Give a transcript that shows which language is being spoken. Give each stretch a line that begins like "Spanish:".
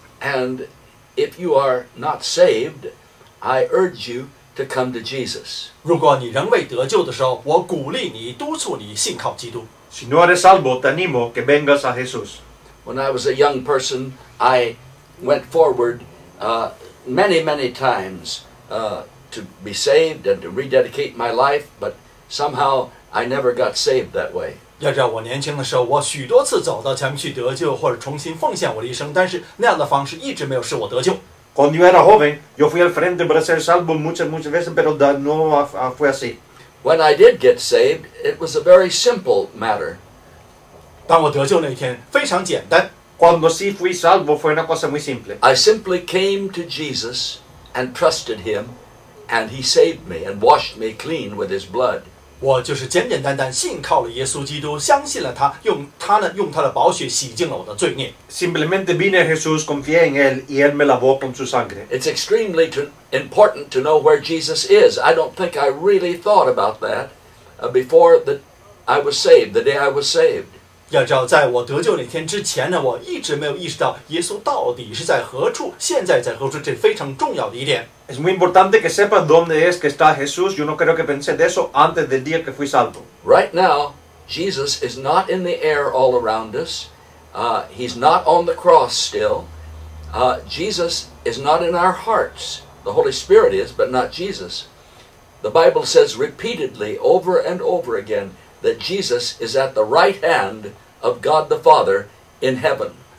English: And if you are not saved, I urge you to come to Jesus.
Chinese: 如果你仍未得救的时候, 我鼓励你, 督促你信靠基督。
Spanish: Si no eres salvo, te animo que vengas a Jesús.
English: When I was a young person, I went forward many, many times to be saved and to rededicate my life, but somehow I never got saved that way.
Chinese: 要知道我年轻的时候, 我许多次走到前面去得救, 或者重新奉献我的一生, 但是那样的方式一直没有使我得救。
Spanish: Cuando yo era joven, yo fui al frente para ser salvo muchas, muchas veces, pero no fue así.
English: When I did get saved, it was a very simple matter.
Chinese: 当我得救那一天, 非常简单,
Spanish: cuando sí fui salvo, fue una cosa muy simple.
English: I simply came to Jesus and trusted Him, and He saved me and washed me clean with His blood.
Chinese: 我就是简简单单信靠了耶稣基督, 相信了他, 用他的宝血洗净了我的罪孽。
Spanish: Simplemente vine a Jesús, confié en él, y él me lavó con su sangre.
English: It's extremely important to know where Jesus is. I don't think I really thought about that before that I was saved, the day I was saved.
Chinese: 要知道在我得救那天之前呢, 我一直没有意识到耶稣到底是在何处, 现在在何处, 这非常重要的一点。
Spanish: Es muy importante que sepas dónde es que está Jesús. Yo no creo que pensé de eso antes del día que fui salvo.
English: Right now, Jesus is not in the air all around us. He's not on the cross still. Jesus is not in our hearts. The Holy Spirit is, but not Jesus. The Bible says repeatedly, over and over again, that Jesus is at the right hand of God the Father in heaven.